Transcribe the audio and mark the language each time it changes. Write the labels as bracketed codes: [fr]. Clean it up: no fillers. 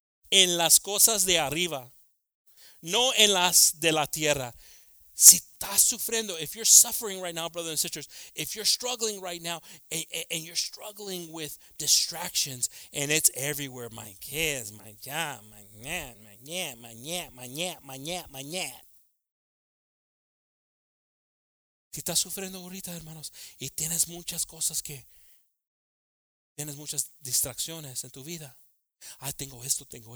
[es] En las cosas de arriba, no en las de la tierra. Si estás sufriendo, [en] if you're suffering right now, brothers and sisters, if you're struggling right now and you're struggling with distractions and it's everywhere, my kids, my job, my nyan. [es] Si estás sufriendo ahorita, hermanos, y tienes muchas cosas que, tienes muchas distracciones en tu vida. Ah, tengo esto.